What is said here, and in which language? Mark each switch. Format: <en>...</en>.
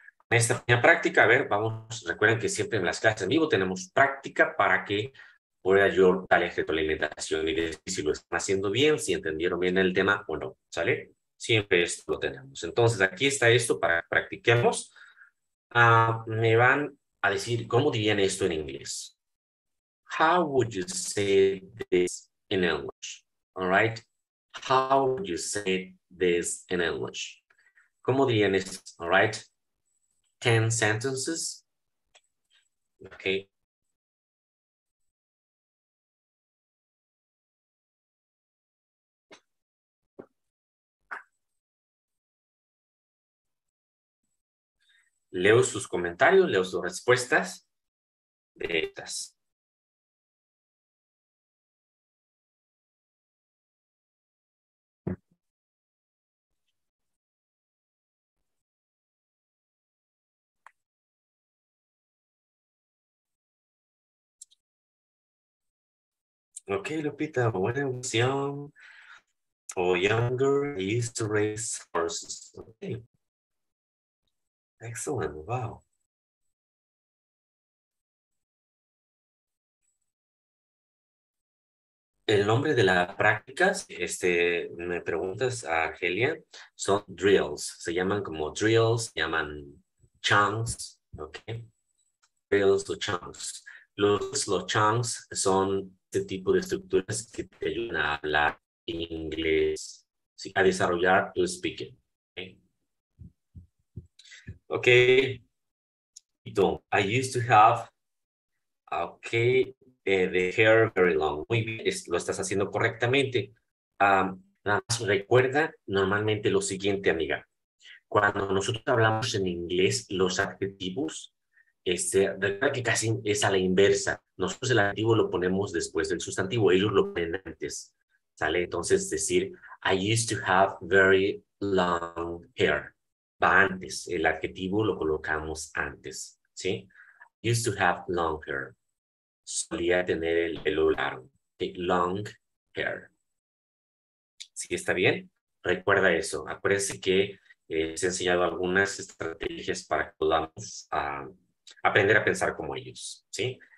<es>Esta pequeña práctica, a ver, vamos, recuerden que siempre en las clases en vivo tenemos práctica para que pueda yo darles retroalimentación y decir si lo están haciendo bien, si entendieron bien el tema o no, ¿sale? Siempre esto lo tenemos. Entonces, aquí está esto para que practiquemos. Me van a decir, ¿cómo dirían esto en inglés?</es> <en>How would you say this in English? All right. How would you say this in English?</en> <es>¿Cómo dirían esto?</es> <en>All right. 10 sentences. Okay.</en> <es>Leo sus comentarios, leo sus respuestas directas. Ok, Lupita, buena emoción.</es> <en>Oh, younger, I used to race horses.</en> <es>Okay. Excelente, wow. El nombre de las prácticas, me preguntas a Argelia, son drills. Se llaman como drills, se llaman chunks, ¿ok? Drills o chunks. Los chunks son este tipo de estructuras que te ayudan a hablar inglés, ¿sí? A desarrollar tu speaking.</es> <en>Ok. I used to have. Ok. The hair very long.</en> <es>Muy bien. Lo estás haciendo correctamente. Nada más recuerda normalmente lo siguiente, amiga. Cuando nosotros hablamos en inglés, los adjetivos, recuerda que casi es a la inversa. Nosotros el adjetivo lo ponemos después del sustantivo, ellos lo ponen antes. ¿Sale? Entonces, decir,</es> <en>I used to have very long hair.</en> <es>Va antes, el adjetivo lo colocamos antes, ¿sí?</es> <en>Used to have long hair.</en> <es>Solía tener el pelo largo.</es> <en>Okay, long hair.</en> <es>¿Sí está bien? Recuerda eso. Acuérdense que les he enseñado algunas estrategias para que podamos aprender a pensar como ellos, ¿sí?</es>